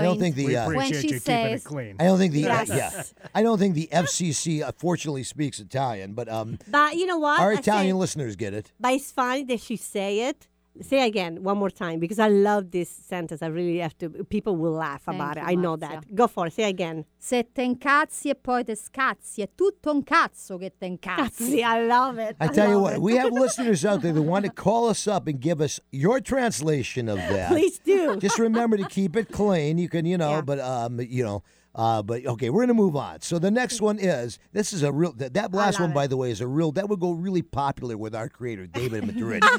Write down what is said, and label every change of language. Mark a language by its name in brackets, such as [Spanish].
[English] I don't think the when she you says, clean. I don't think the yes. yeah. I don't think the FCC unfortunately speaks Italian, but you know what? Our Italian listeners get it. But it's funny that she say it. Say again, one more time, because I love this sentence. I really have to, people will laugh Thank about it. Marzia. I know that. Go for it. Say again. [Italian] Se te incazzi e poi te scazzi, è tutto un cazzo che te incazzi. [English] I love it. I tell you what, we have listeners out there that want to call us up and give us your translation of that. Please do. Just remember to keep it clean. You can, you know, yeah. But okay, we're going to move on. So the next one is, this is a real, that last one, it. By the way, is a real, that would go really popular with our creator, David Madrid.